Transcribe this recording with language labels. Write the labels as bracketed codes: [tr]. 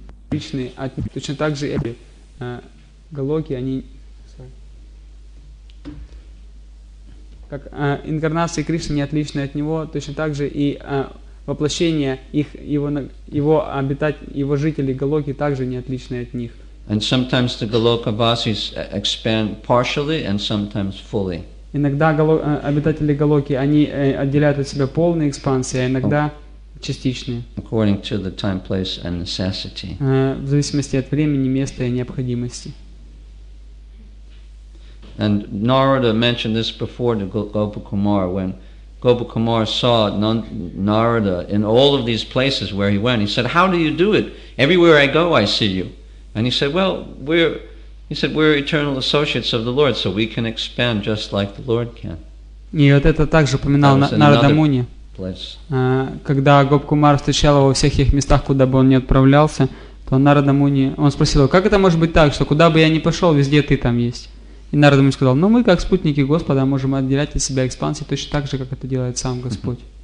[ru] Личные, точно так же эти галоки, они... Как инкарнации Кришны не отличны от него, точно так же и воплощение их, его обитателей, его жителей галоки также не отличны от них. [en] And sometimes the galoka vasis expand partially and sometimes fully. [ru] Иногда обитатели Галоки, они отделяют от себя полные экспансии, а иногда частичные. [en] According to the time, place and necessity. [ru] В зависимости от времени, места и необходимости. [en] And Narada mentioned this before to Gopakumara. When Gopakumara saw Narada in all of these places where he went, he said, how do you do it? Everywhere I go, I see you. And he said, well, we're eternal associates of the Lord, so we can expand just like the Lord can. [ru] И вот это также упоминал Нарада Муни. Когда Гопакумара встречал его во всех их местах, куда бы он ни отправлялся, то Нарада Муни, он спросил его, как это может быть так, что куда бы я ни пошел, везде ты там есть? И Нарада Муни сказал, ну мы как спутники Господа можем отделять от себя экспансии точно так же, как это делает сам Господь.